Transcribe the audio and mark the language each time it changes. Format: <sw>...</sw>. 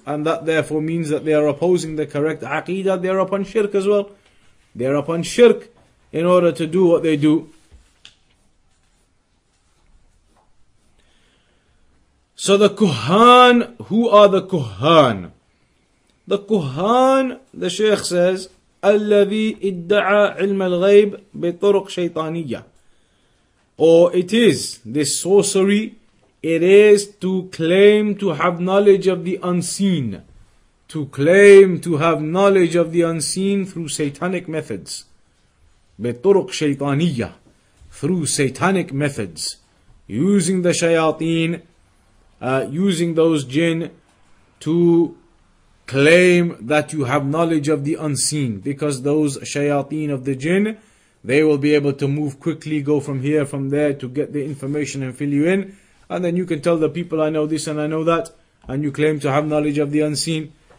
<en>And that therefore means that they are opposing the correct aqeedah. They are upon shirk as well. They are upon shirk in order to do what they do. So the Kuhan, who are the Kuhan? The Kuhan, the Shaykh says,</en> <ar>الذي ادعى علم الغيب بطرق شيطانية.</ar> <en>Or it is, this sorcery, it is to claim to have knowledge of the unseen. To claim to have knowledge of the unseen through satanic methods.</en> <ar>بطرق شيطانية.</ar> <en>Through satanic methods. Using the shayateen, using those jinn to claim that you have knowledge of the unseen, because those shayateen of the jinn, they will be able to move quickly, go from here, from there, to get the information and fill you in, and then you can tell the people, I know this and I know that, and you claim to have knowledge of the unseen.</en>